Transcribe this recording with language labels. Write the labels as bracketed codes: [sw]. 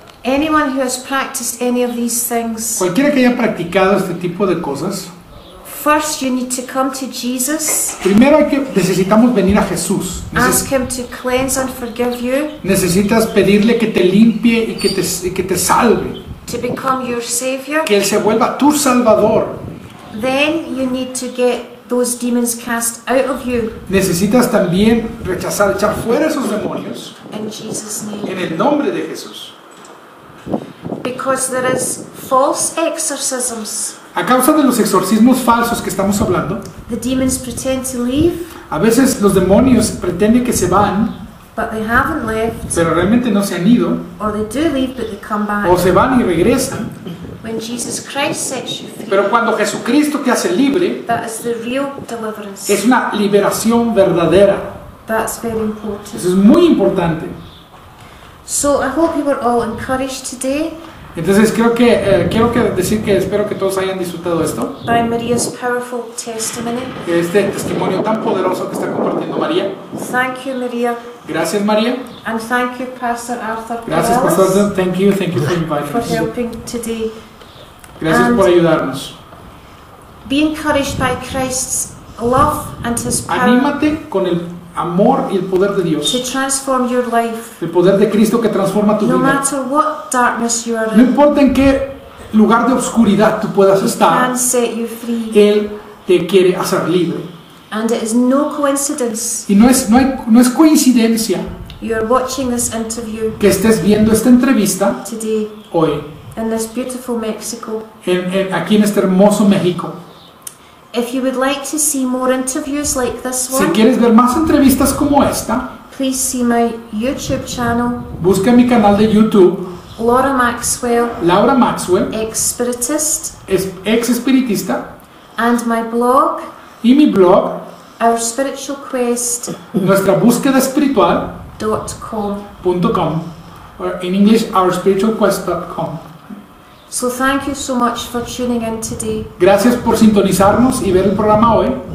[en] anyone who has practiced any of these things, [es] cualquiera que haya practicado este tipo de cosas, [en] first you need to come to Jesus, [es] primero necesitamos venir a Jesús. [en] Ask him to cleanse and forgive you, [es] necesitas pedirle que te limpie y que te salve, [en] to become your savior, [es] que él se vuelva tu salvador. [en] Then you need to get those demons cast out of you. [es] Necesitas también rechazar, echar fuera esos demonios. [en] In Jesus' name. [es] En el nombre de Jesús. [en] Because there is false exorcisms. [es] A causa de los exorcismos falsos que estamos hablando. [en] The demons pretend to leave. [es] A veces los demonios pretenden que se van. [en] But they haven't left. [es] Pero realmente no se han ido. [en] Or they do leave, but they come back. [es] O se van y regresan. [en] When Jesus Christ sets you free. [es] Pero cuando Jesucristo te hace libre. [en] That is the real deliverance. [es] Es una liberación verdadera. [en] That's very important. [es] Eso es muy importante. [en] So I hope you were all encouraged today. [es] Entonces creo que quiero que decir que espero que todos hayan disfrutado esto. [en] By Maria's powerful testimony. [es] Este testimonio tan poderoso que está compartiendo María. [en] Thank you, Maria. [es] Gracias, María. [en] And thank you, Pastor Arthur. [es] Gracias, [en] Pastor Arthur. Thank you for inviting us. For helping today. [es] Gracias [en] and [es] por ayudarnos. [en] Be encouraged by Christ's love and His power. [es] Anímate con el amor y el poder de Dios. [en] To transform your life. [es] El poder de Cristo que transforma tu no vida. [en] No matter what darkness you are in. [es] No importa en qué lugar de oscuridad tú puedas estar. [en] He can set you free. [es] Él te quiere hacer libre. [en] And it is no coincidence. [es] Y no es coincidencia. [en] You are watching this interview. [es] Que estés viendo esta entrevista. [en] Today. [es] Hoy. [en] In this beautiful Mexico. [es] En aquí en este hermoso México. [en] If you would like to see more interviews like this one, [es] si quieres ver más entrevistas como esta, [en] please see my YouTube channel. [es] Busca mi canal de YouTube. [en] Laura Maxwell. [es] Laura Maxwell. [en] Ex-spiritist. [es] Ex-espiritista. [en] And my blog. [es] Y mi blog. [en] Our spiritual quest. [es] Nuestra búsqueda espiritual. [en] .com. .com. Or in English, ourspiritualquest.com. So thank you so much for tuning in today. [es] Gracias por sintonizarnos y ver el programa hoy.